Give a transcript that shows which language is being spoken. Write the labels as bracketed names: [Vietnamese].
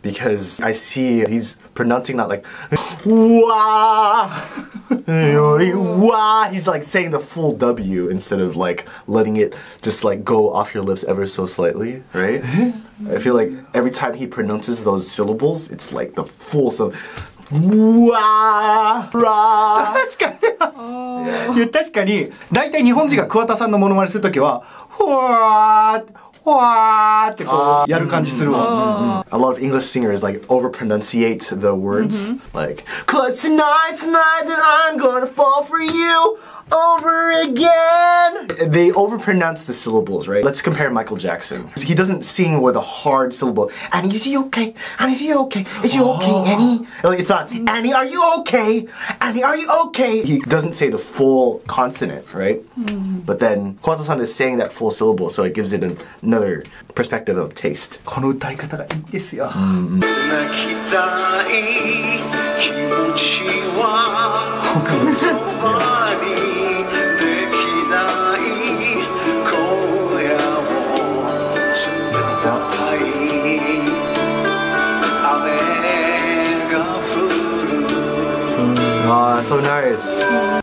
[English] Because I see he's pronouncing that like, Wah! He's like saying the full W instead of like letting it just like go off your lips ever so slightly, right? I feel like every time he pronounces those syllables, it's like the full sound. Wah! Rah! [Japanese] 確かに、oh. 確かに、大体日本人が桑田さんのモノマネするときは、Wah! わーってこうやる感じするわ。 [English] A lot of English singers like overpronunciate the words、like Cause tonight's the night that I'm gonna fall for you over again. They overpronounce the syllables, right? Let's compare Michael Jackson. He doesn't sing with a hard syllable. Annie, is he okay? Annie, is he okay? Is he okay, Annie? It's not, Annie, are you okay? Annie, are you okay? He doesn't say the full consonant, right? But then, Kuwata-san is saying that full syllable, so it gives it another perspective of taste. [Japanese] この歌い方がいいですよ。泣きたい気持ちは言葉にできない今夜を冷たい雨が降る。 [English] Wow, so nice.